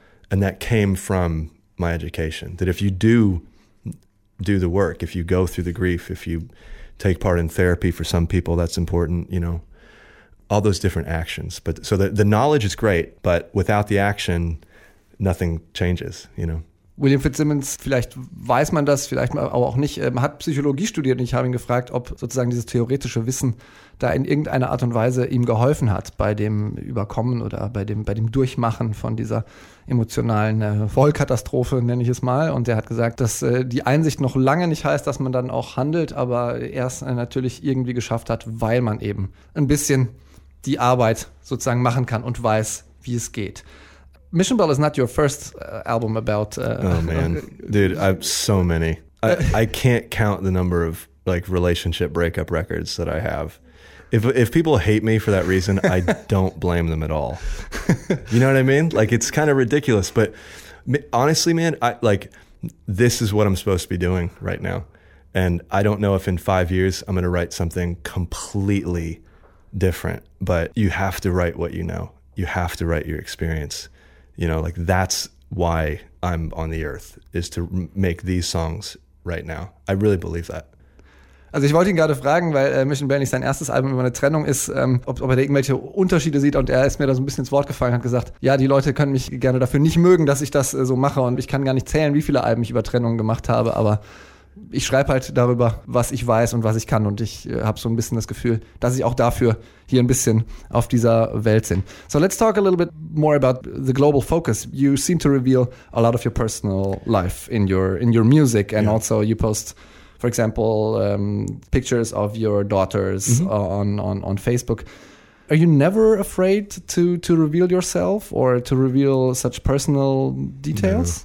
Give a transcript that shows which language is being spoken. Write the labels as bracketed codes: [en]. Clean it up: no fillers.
[en] And that came from my education, that if you do the work, if you go through the grief, if you take part in therapy, for some people that's important, you know, all those different actions. But so the knowledge is great, but without the action, nothing changes, you know. [de] William Fitzsimmons, vielleicht weiß man das, vielleicht aber auch nicht, hat Psychologie studiert und ich habe ihn gefragt, ob sozusagen dieses theoretische Wissen da in irgendeiner Art und Weise ihm geholfen hat bei dem Überkommen oder bei dem Durchmachen von dieser emotionalen Vollkatastrophe, nenne ich es mal. Und er hat gesagt, dass die Einsicht noch lange nicht heißt, dass man dann auch handelt, aber erst natürlich irgendwie geschafft hat, weil man eben ein bisschen die Arbeit sozusagen machen kann und weiß, wie es geht. [en] Mission Bell is not your first album about... Dude, I have so many. I can't count the number of like relationship breakup records that I have. If people hate me for that reason, I don't blame them at all. You know what I mean? Like, it's kind of ridiculous. But honestly, man, this is what I'm supposed to be doing right now. And I don't know if in 5 years I'm going to write something completely different. But you have to write what you know. You have to write your experience. You know, like, that's why I'm on the earth, is to make these songs right now. I really believe that. [de] Also ich wollte ihn gerade fragen, weil Mission Bell nicht sein erstes Album über eine Trennung ist, ob er da irgendwelche Unterschiede sieht, und er ist mir da so ein bisschen ins Wort gefallen und hat gesagt, ja, die Leute können mich gerne dafür nicht mögen, dass ich das so mache, und ich kann gar nicht zählen, wie viele Alben ich über Trennungen gemacht habe, aber ich schreibe halt darüber, was ich weiß und was ich kann, und ich habe so ein bisschen das Gefühl, dass ich auch dafür hier ein bisschen auf dieser Welt bin. [en] So let's talk a little bit more about the global focus. You seem to reveal a lot of your personal life in your music, and yeah. Also you post, for example, pictures of your daughters mm-hmm. on Facebook. Are you never afraid to reveal yourself or to reveal such personal details?